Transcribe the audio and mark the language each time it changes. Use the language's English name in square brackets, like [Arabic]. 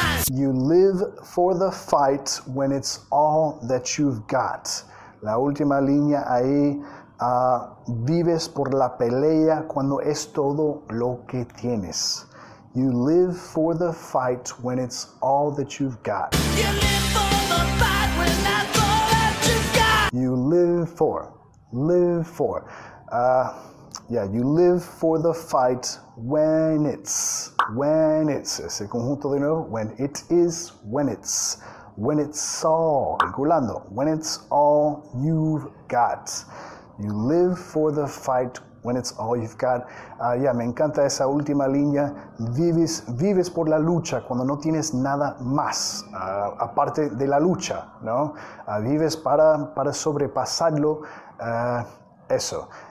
[English] You live for the fight when it's all that you've got. [Spanish] La última línea ahí, vives por la pelea cuando es todo lo que tienes. [English] You live for the fight when it's all that you've got. You live for the fight when that's all that you've got. You live for, live for. You live for the fight when it's, [Spanish] ese conjunto de nuevo, [English] when it is, when it's all, [Spanish] calculando, [English] when it's all you've got. You live for the fight when it's all you've got. [Spanish] Me encanta esa última línea, vives por la lucha cuando no tienes nada más, aparte de la lucha, ¿no? Vives para sobrepasarlo, eso.